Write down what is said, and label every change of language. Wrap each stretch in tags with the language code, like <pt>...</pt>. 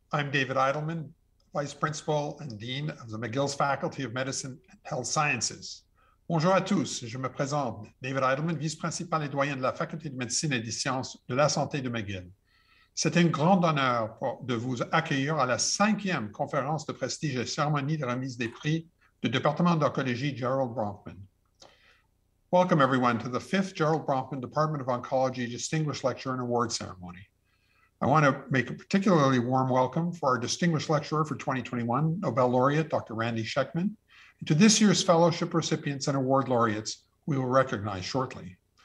<en>I'm David Eidelman, Vice Principal and Dean of the McGill's Faculty of Medicine and Health Sciences.</en> <fr>Bonjour à tous, je me présente, David Eidelman, Vice-Principal et Doyen de la Faculté de Médecine et des Sciences de la Santé de McGill. C'est un grand honneur de vous accueillir à la cinquième conférence de prestige et cérémonie de remise des prix du département d'oncology Gerald Bronfman.</fr> <en>Welcome, everyone, to the fifth Gerald Bronfman Department of Oncology Distinguished Lecture and Award Ceremony. I want to make a particularly warm welcome for our distinguished lecturer for 2021, Nobel laureate, Dr. Randy Schekman, and to this year's fellowship recipients and award laureates we will recognize shortly.</en>